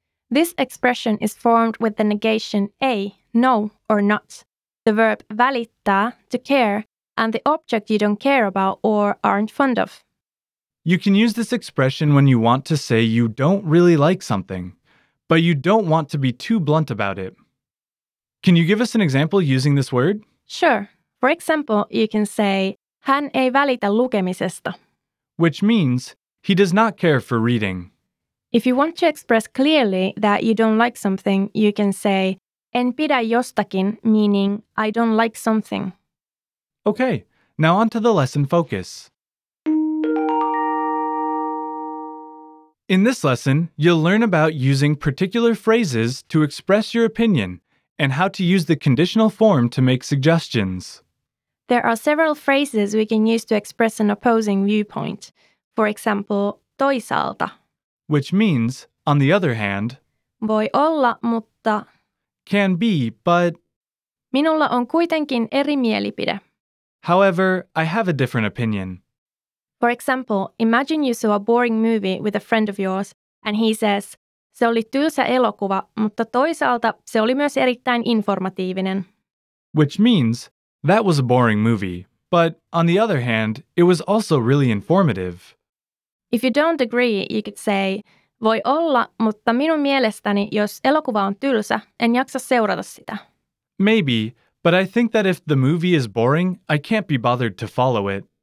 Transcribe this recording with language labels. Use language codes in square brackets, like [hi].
[en] This expression is formed with the negation ei, no, or not, the verb välittää, to care, and the object you don't care about or aren't fond of. You can use this expression when you want to say you don't really like something, but you don't want to be too blunt about it. Can you give us an example using this word? Sure. For example, you can say, [fi] hän ei välitä lukemisesta. [en] Which means, he does not care for reading. If you want to express clearly that you don't like something, you can say, [fi] en pidä jostakin, [en] meaning, I don't like something. Okay, now on to the lesson focus. In this lesson, you'll learn about using particular phrases to express your opinion and how to use the conditional form to make suggestions. There are several phrases we can use to express an opposing viewpoint. For example, toisaalta. Which means, on the other hand, [fi] voi olla, mutta [en] can be, but [fi] minulla on kuitenkin eri mielipide. [en] However, I have a different opinion. For example, imagine you saw a boring movie with a friend of yours, and he says, [fi] se oli tylsä elokuva, mutta toisaalta se oli myös erittäin informatiivinen. [en] Which means, that was a boring movie, but on the other hand, it was also really informative. If you don't agree, you could say, [fi] voi olla, mutta minun mielestäni, jos elokuva on tylsä, en jaksa seurata sitä. [en] Maybe, but I think that if the movie is boring, I can't be bothered to follow it.